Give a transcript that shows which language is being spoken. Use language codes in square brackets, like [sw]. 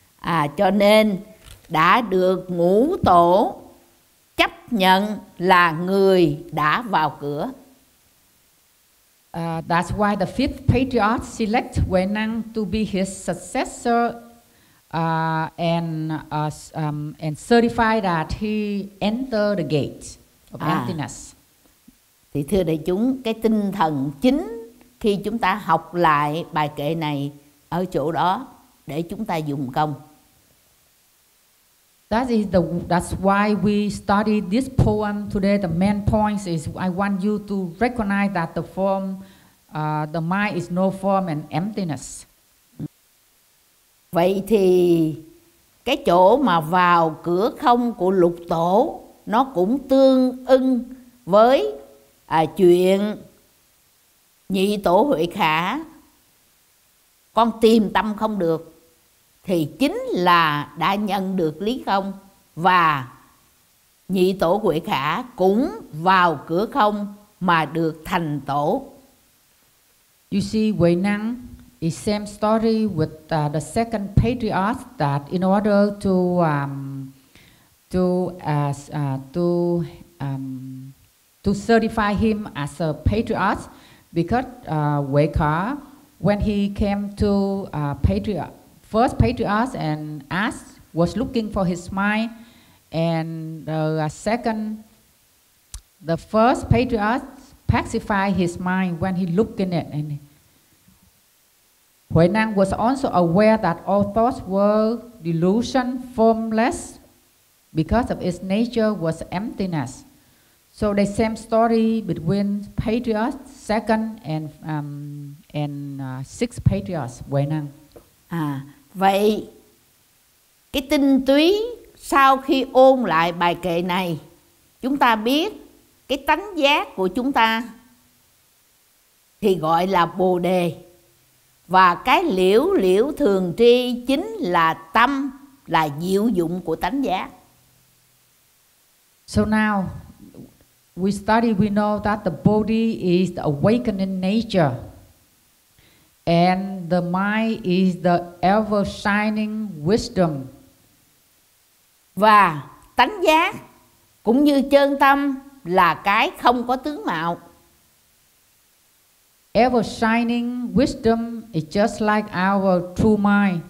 [vi] À, cho nên đã được ngũ tổ chấp nhận là người đã vào cửa. [en] That's why the fifth patriarch select Huệ Năng to be his successor and certify that he entered the gate of emptiness. [vi] Thì thưa đại chúng, cái tinh thần chính khi chúng ta học lại bài kệ này ở chỗ đó để chúng ta dùng công. [en] That's why we study this poem today. The main point is I want you to recognize that the form, the mind is no form and emptiness. [vi] Vậy thì cái chỗ mà vào cửa không của lục tổ nó cũng tương ưng với chuyện nhị tổ Huệ Khả, con tìm tâm không được, thì chính là đã nhận được lý không, và nhị tổ Huệ Khả cũng vào cửa không mà được thành tổ. [en] You see, Huệ Năng is same story with the second patriarch, that in order to certify him as a patriarch, because Huệ Khả, when he came to first patriarch and asked, was looking for his mind, and the first patriarch pacified his mind when he looked in it. And Huệ Năng was also aware that all thoughts were delusion, formless, because of its nature was emptiness. So the same story between patriarch second and sixth patriarch Huệ Năng. [vi] À, vậy cái tinh túy sau khi ôn lại bài kệ này, chúng ta biết cái tánh giác của chúng ta thì gọi là Bồ Đề, và cái liễu liễu thường tri chính là tâm, là diệu dụng của tánh giác. [en] So now we study, we know that the body is the awakening nature and the mind is the ever shining wisdom. [vi] Và tánh giác cũng như chân tâm là cái không có tướng mạo. [en] Ever shining wisdom is just like our true mind.